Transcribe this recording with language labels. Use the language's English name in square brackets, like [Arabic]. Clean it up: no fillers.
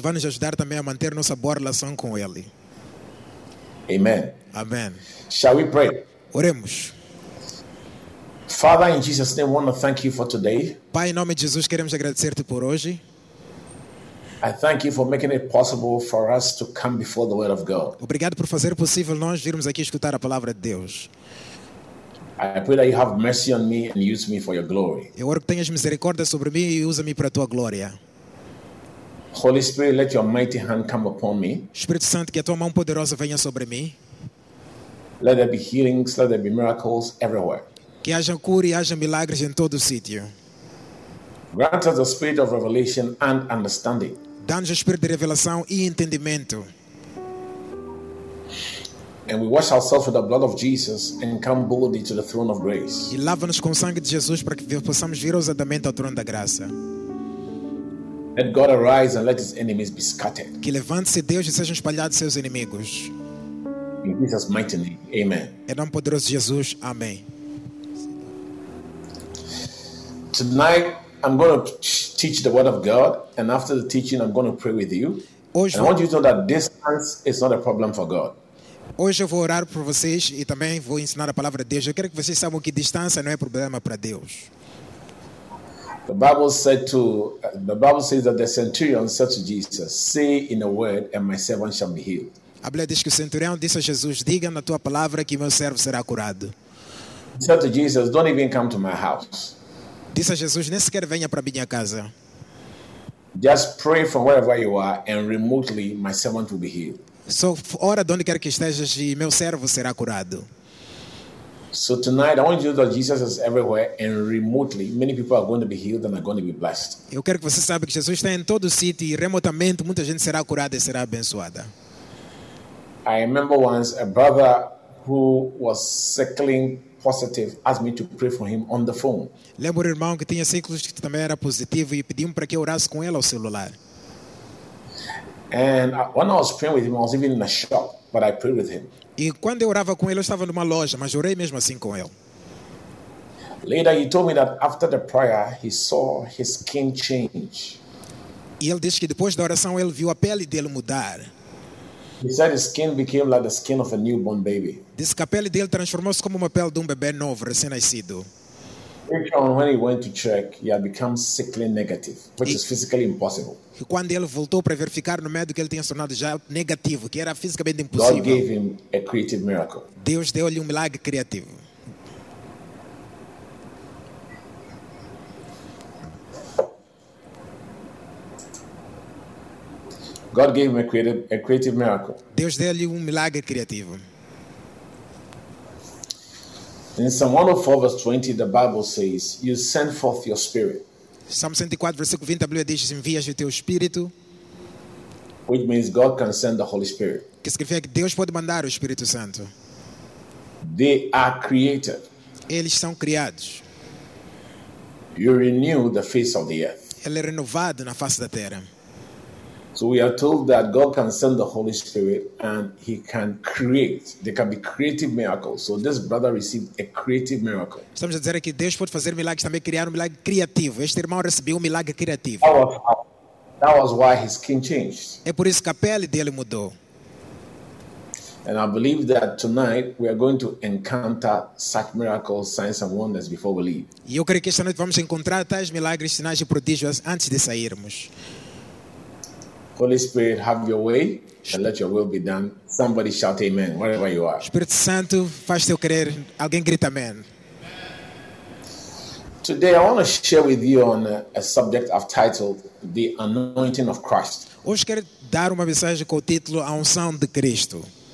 [Portuguese] vai nos ajudar também a manter nossa boa relação com ele. [English] Amen. Amen. Shall we pray? [Portuguese] Oremos. [English] Father, in Jesus' name, I want to thank you for today. [Portuguese] Pai, em nome de Jesus, queremos agradecer-te por hoje. [English] I thank you for making it possible for us to come before the word of God. [Portuguese] Obrigado por fazer possível nós virmos aqui escutar a palavra de Deus. [English] I pray that you have mercy on me and use me for your glory. [Portuguese] Eu oro que tenhas misericórdia sobre mim e usa-me para a tua glória. [English] Holy Spirit, let your mighty hand come upon me. [Portuguese] Espírito Santo, que a tua mão poderosa venha sobre mim. [English] Let there be healings, let there be miracles everywhere. [Portuguese] Que haja cura e haja milagres em todo o sítio. [English] Grant us the spirit of revelation and understanding. [Portuguese] Dá-nos o espírito de revelação e entendimento. [English] And we wash ourselves with the blood of Jesus and come boldly to the throne of grace. [Portuguese] E lava-nos com o sangue de Jesus para que possamos vir ousadamente ao trono da graça. [English] Let God arise and let his enemies be scattered. [Portuguese] Que levante-se Deus e sejam espalhados seus inimigos. [English] In Jesus' mighty name, amen. [Portuguese] Em nome poderoso de Jesus, amém. [English] Tonight I'm going to teach the word of God, and after the teaching I'm going to pray with you. [Portuguese] Hoje [English] I want you to know that distance is not a problem for God. [Portuguese] Hoje eu vou orar por vocês e também vou ensinar a palavra de Deus. Eu quero que vocês saibam que distância não é problema para Deus. [English] The Bible says that the centurion said to Jesus, "Say in a word and my servant shall be healed." [Portuguese] A Bíblia diz que o centurião disse a Jesus, "Diga na tua palavra que meu servo será curado." [English] He said to Jesus, "Don't even come to my house." [Portuguese] Disse a Jesus, "Nem sequer venha para minha casa." [English] Just pray from wherever you are and remotely my servant will be healed. [Portuguese] Só ora de onde quer que estejas e meu servo será curado. [English] So tonight I want you to know that Jesus is everywhere and remotely many people are going to be healed and are going to be blessed. [Portuguese] Eu quero que você saiba que Jesus está em todo o sítio e remotamente muita gente será curada e será abençoada. [English] I remember once a brother who was circling positive asked me to pray for him on the phone. [Portuguese] Lembro um irmão que tinha ciclos que também era positivo e pediu para que eu orasse com ele ao celular. [English] And when I was praying with him, I was even in a shop, but I prayed with him. [Portuguese] E quando eu orava com ele, eu estava numa loja, mas orei mesmo assim com ele. [English] Later, he told me that after the prayer, he saw his skin change. [Portuguese] E ele disse que depois da oração, ele viu a pele dele mudar. [English] He said his skin became like the skin of a newborn baby. [Portuguese] Disse que a pele dele transformou-se como uma pele de um bebê novo, recém-nascido. [English] When he went to check, he had become sickly negative, which is physically impossible. [Portuguese] E quando ele voltou para verificar no médico, ele tinha se tornado já negativo, que era fisicamente impossível. [English] God gave him a creative miracle. [Portuguese] Deus deu-lhe um milagre criativo. [English] God gave him a creative miracle. [Portuguese] Deus deu-lhe um milagre criativo. [English] In Psalm 104, verse 20, the Bible says, "You send forth your spirit." [Portuguese] Psalm 104, versículo 20, a Bíblia diz: "Envias o teu espírito." [English] Which means God can send the Holy Spirit. [Portuguese] Que significa que Deus pode mandar o Espírito Santo. [English] They are created. [Portuguese] Eles são criados. [English] You renew the face of the earth. [Portuguese] Ele é renovado na face da terra. [English] So we are told that God can send the Holy Spirit and he can create. There can be creative miracles. So this brother received a creative miracle. [Portuguese] Estamos a dizer que Deus pode fazer milagres, também criar um milagre criativo. Este irmão recebeu um milagre criativo. [English] That was why his skin changed. [Portuguese] É por isso que a pele dele mudou. [English] And I believe that tonight we are going to encounter such miracles, signs and wonders before we leave. [Portuguese] E eu creio que esta noite vamos encontrar tais milagres, sinais e prodígios antes de sairmos. [English] Holy Spirit, have your way and let your will be done. Somebody shout amen wherever you are. [Portuguese] Espírito Santo, faz teu querer. Alguém grita amém. [English] Today I want to share with you on a subject I've titled The Anointing of Christ. [Portuguese] Hoje quero dar uma mensagem com o título A Unção de Cristo.